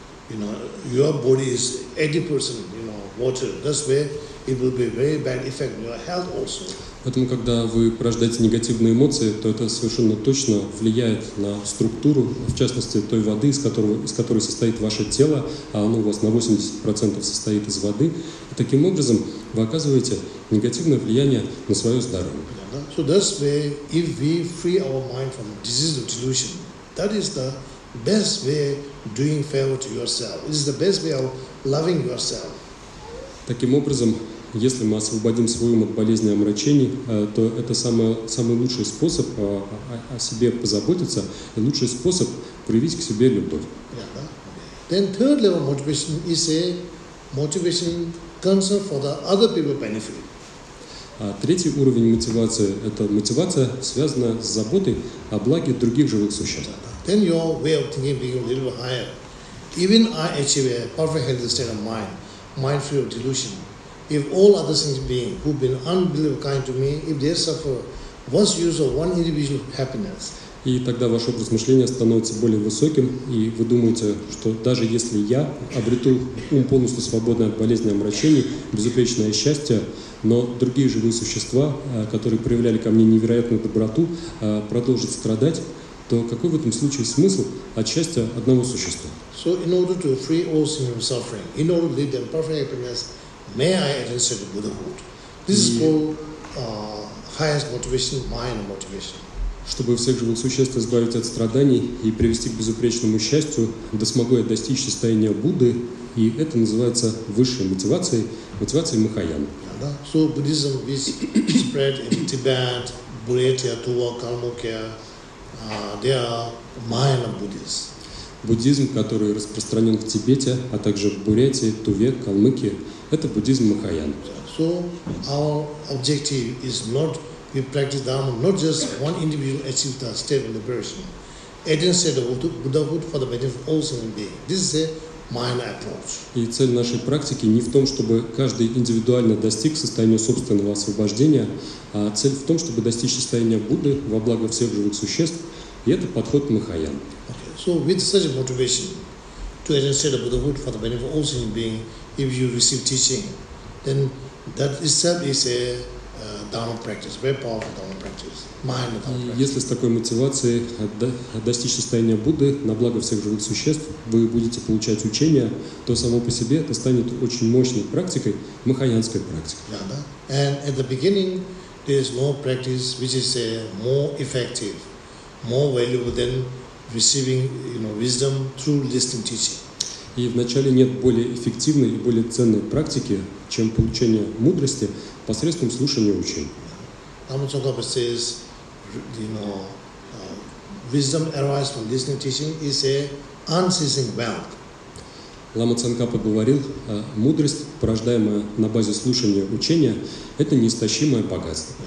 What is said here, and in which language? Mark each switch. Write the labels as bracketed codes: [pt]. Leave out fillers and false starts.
[en] You know, your body is 80%, you know, water. That's where it will be very bad effect on your health also. [ru] Поэтому, когда вы порождаете негативные эмоции, то это совершенно точно влияет на структуру, в частности, той воды, из которой состоит ваше тело, а оно у вас на 80% состоит из воды. И таким образом, вы оказываете негативное влияние на свое здоровье. [en] So that's where, if we free our mind from disease or delusion, that is the best way doing favor to yourself. It is the best way of loving yourself. [ru] Таким образом, если мы освободим свой ум от болезни и омрачений, то это самый лучший способ о себе позаботиться, и лучший способ проявить к себе любовь. [en] Then third level motivation is a motivation concern for the other people benefit. [ru] А третий уровень мотивации – это мотивация, связанная с заботой о благе других живых существ. [en] Then your way of thinking becomes a little bit higher. Even I achieve a perfect healthy state of mind, mind free of delusion. If all other things being who have been unbelievably kind to me, if they suffer, what's use of one individual happiness? [ru] И тогда ваш образ мышления становится более высоким, и вы думаете, что даже если я обрету ум полностью свободный от болезни и омрачений, безупречное счастье, но другие живые существа, которые проявляли ко мне невероятную доброту, продолжат страдать, то какой в этом случае смысл от счастья одного существа? [en] So in order to free all from suffering, in order to lead them perfect happiness, may I attain the Buddhahood? This is called highest motivation, mind motivation. [ru] Чтобы всех живых существ избавить от страданий и привести к безупречному счастью, да смогу я достичь состояния Будды, и это называется высшей мотивацией, мотивацией Махаяны. [en] So Buddhism is spread in Tibet, Buryatia, Tuva, Kalmukia. They are Mahayana Buddhists. [ru] Буддизм, который распространен в Тибете, а также в Бурятии, Туве, Калмыкии, это буддизм Махаяна. [en] So our objective is not we practice Dharma, not just one individual achieve the state of liberation. Eden said the Buddhahood for the benefit of all human beings. This is a mind approach. [ru] И цель нашей практики не в том, чтобы каждый индивидуально достиг состояния собственного освобождения, а цель в том, чтобы достичь состояния Будды во благо всех живых существ. И это подход Махаян. [en] Okay. So with such a motivation to attain the Buddhahood for the benefit of all sentient beings, if you receive teaching, then that itself is a Dharma practice, very powerful Dharma practice, mind Dharma practice. [ru] Если с такой мотивацией достичь состояния Будды на благо всех живых существ, вы будете получать учение, то само по себе это станет очень мощной практикой, махаянской практикой. [en] Yeah, [ru] да. [en] And at the beginning, there is no practice which is more effective, more valuable than receiving, you know, wisdom through listening teaching. [ru] И вначале нет более эффективной и более ценной практики, чем получение мудрости посредством слушания учения. [en] Тама Цонгапа says, you know, wisdom arises from listening teaching is a unceasing wealth. [ru] Лама Цонгапа говорил, мудрость, порождаемая на базе слушания учения, это неистощимое богатство.